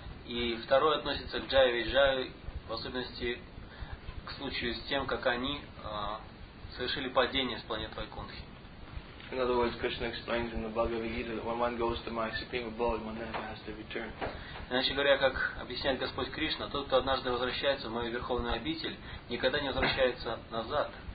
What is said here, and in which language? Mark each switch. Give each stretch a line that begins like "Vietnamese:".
Russian: И второе относится к Джаю и Виджаю, в особенности к случаю с тем, как они совершили падение с планеты Вайкунтхи.
English: In other words, Krishna explains in the Bhagavad Gita that when one goes to my supreme abode, one never has to return.
Russian: Иначе говоря, как объясняет Господь Кришна, тот, кто однажды возвращается в мою верховную обитель, никогда не возвращается назад.